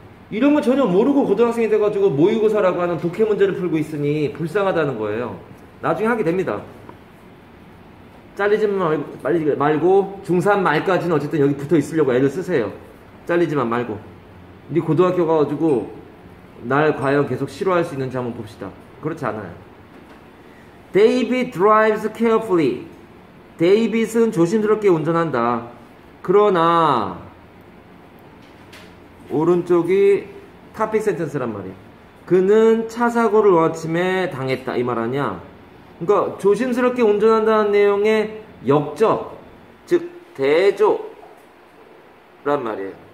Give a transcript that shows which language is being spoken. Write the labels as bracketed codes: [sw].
[ko] 이런 거 전혀 모르고 고등학생이 돼가지고 모의고사라고 하는 독해 문제를 풀고 있으니 불쌍하다는 거예요. 나중에 하게 됩니다. 잘리지만 말고 중3 말까지는 어쨌든 여기 붙어 있으려고 애를 쓰세요. 잘리지만 말고. 니 고등학교 가가지고 날 과연 계속 싫어할 수 있는지 한번 봅시다. 그렇지 않아요. [en] David drives carefully. [ko] David은 조심스럽게 운전한다. 그러나 오른쪽이 [en] topic sentence [ko] 란 말이야. 그는 차 사고를 아침에 당했다. 이 말하냐? 그러니까 조심스럽게 운전한다는 내용의 역적, 즉 대조란 말이에요.